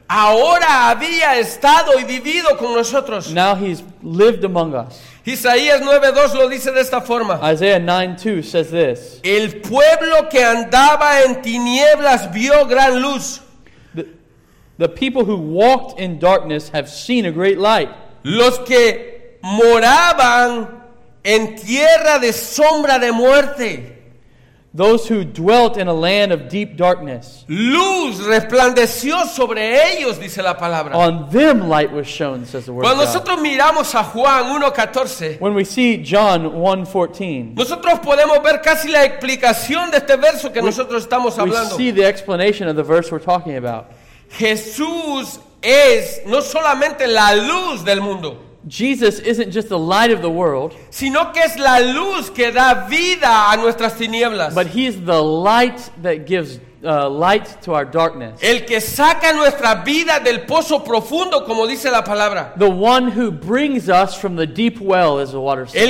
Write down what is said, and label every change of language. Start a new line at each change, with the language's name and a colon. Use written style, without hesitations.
Spanish: Ahora había estado y vivido con nosotros.
English: Now he's lived among us.
Spanish: Isaías 9:2 lo dice de esta forma.
English: Isaiah 9:2 says this.
Spanish: El pueblo que andaba en tinieblas vio gran luz.
English: The people who walked in darkness have seen a great light.
Spanish: Los que moraban en tierra de sombra de muerte.
English: Those who dwelt in a land of deep darkness.
Spanish: Luz resplandeció sobre ellos, dice la palabra.
English: On them light was shown, says the word.
Spanish: Cuando nosotros miramos a Juan 1:14.
English: When we see John 1:14.
Spanish: Nosotros podemos ver casi la explicación de este verso que nosotros estamos hablando.
English: We see the explanation of the verse we're talking about.
Spanish: Jesús es no solamente la luz del mundo.
English: Jesus isn't just the light of the world,
Spanish: sino que es la luz que da vida a nuestras tinieblas.
English: But he is the light that gives light to our darkness.
Spanish: El que saca nuestra vida del pozo profundo, como dice la palabra.
English: The one who brings us from the deep well, as the water says.